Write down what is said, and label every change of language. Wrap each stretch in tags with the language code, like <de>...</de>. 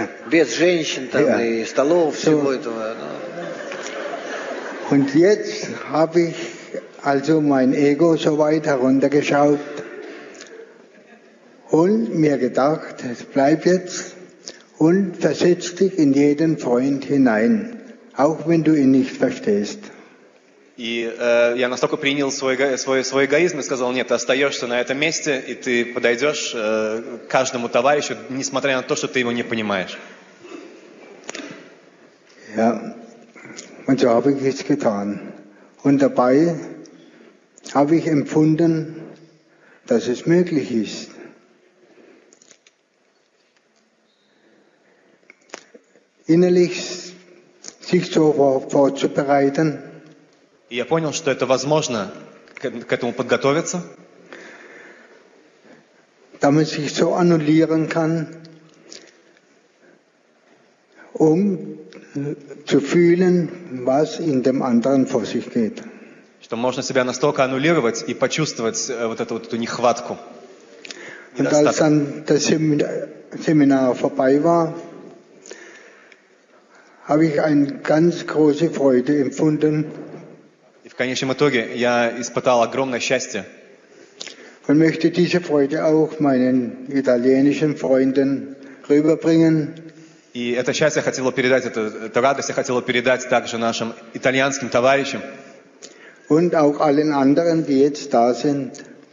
<ru>Без женщин там и столов, всего этого.</ru> <de>Und jetzt habe ich also mein Ego so weit heruntergeschaut und mir gedacht, bleib jetzt und versetz dich in jeden Freund hinein, auch wenn du ihn nicht verstehst.</de> <ru>И я настолько принял свой эгоизм и сказал, нет, ты остаешься на этом месте, и ты подойдешь к каждому товарищу, несмотря на то, что ты его не понимаешь.</ru> <de>Ja, und so habe ich es getan. Und dabei habe ich empfunden, dass es möglich ist. Innerlich sich so vorzubereiten.</de> <ru>И я понял, что это возможно к этому подготовиться.</ru> <de>Damit sich so annullieren kann, um zu fühlen, was in dem anderen vor sich geht.</de> <ru>Что можно себя настолько аннулировать и почувствовать вот эту нехватку.</ru> <de>Und als dann das Seminar vorbei war, habe ich eine ganz große Freude empfunden.</de> <ru>В конечном итоге я испытал огромное счастье.</ru> <de>Und möchte diese Freude auch meinen italienischen Freunden rüberbringen.</de> <ru>И это счастье хотел передать, эту радость я хотел передать также нашим итальянским товарищам.</ru> <de>Und auch allen anderen, die jetzt da sind.</de>